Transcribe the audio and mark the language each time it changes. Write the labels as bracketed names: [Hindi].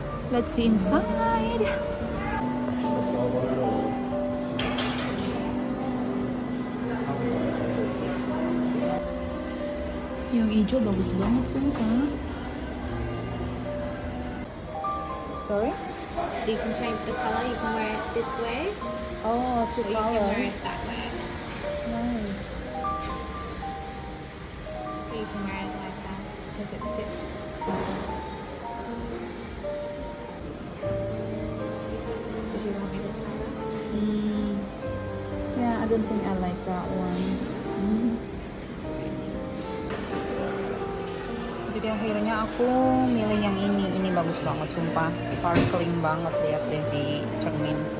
[English] Let's see inside. [Indonesian] Yang hijau bagus banget, sumpah. [English] Sorry. You can change the color. You can wear it this way. Oh, two colors. You can wear it that way. Nice. Or you can wear it like that if it fits. Did you want me to try that? Mm. Yeah, I don't think I like that one. [Indonesian] Jadi akhirnya aku milih yang ini bagus banget sumpah, sparkling banget, lihat deh di cermin.